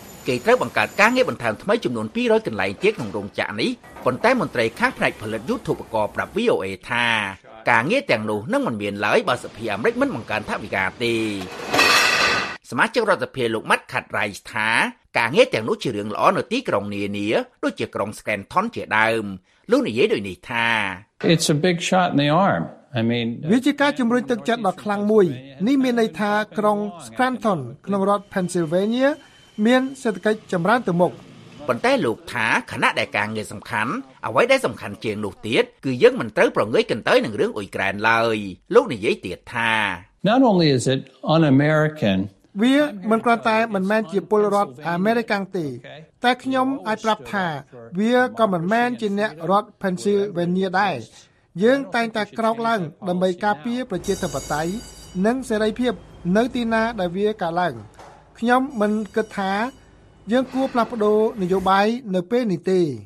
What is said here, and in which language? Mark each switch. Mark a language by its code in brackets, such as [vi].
[km] គេត្រូវបង្កើតការងារបន្ថែមថ្មីចំនួន200កន្លែងទៀតក្នុងរោងចក្រនេះប៉ុន្តែមន្ត្រីខាងផ្នែកផលិតយុទ្ធភ័ណ្ឌប្រាប់ VOA ថាការងារទាំងនោះនឹងមិនមានឡើយបើសភាអាមេរិកមិនបង្កើនថវិកាទេសមាជិករដ្ឋសភាលោកម៉ាត់ខាត់រៃថាការងារទាំងនោះជារឿងល្អនៅទីក្រុងនានាដូចជាក្រុង Scranton ជាដើមលោកនិយាយដូចនេះថា [en] It's a big shot in the arm I mean [km] វាជាការជំរុញទឹកចិត្តដ៏ខ្លាំងមួយនេះមានន័យថាក្រុង Scranton ក្នុងរដ្ឋ Pennsylvania មានសេដ្ឋកិច្ចចម្រើនទៅមុខ ប៉ុន្តែលោកថាគណៈដែលការងារសំខាន់អ្វីដែលសំខាន់ជាងនោះទៀតគឺយើងមិនត្រូវប្រងើយកន្តើយនឹងរឿងអ៊ុយក្រែនឡើយលោកនិយាយទៀតថា [en] Not only is it un-American [km] វាមិនគ្រាន់តែមិនមែនជាពលរដ្ឋអាមេរិកទេតែខ្ញុំអាចប្រាប់ថាវាក៏មិនមែនជាអ្នករដ្ឋ Pennsylvania ដែរយើងតែងតែក្រោកឡើងដើម្បីការពារប្រជាធិបតេយ្យនិងសេរីភាពនៅទីណាដែលវាកើតឡើងខ្ញុំមិនគិតថាយើងគួរផ្លាស់ប្ដូរនយោបាយនៅពេលនេះទេ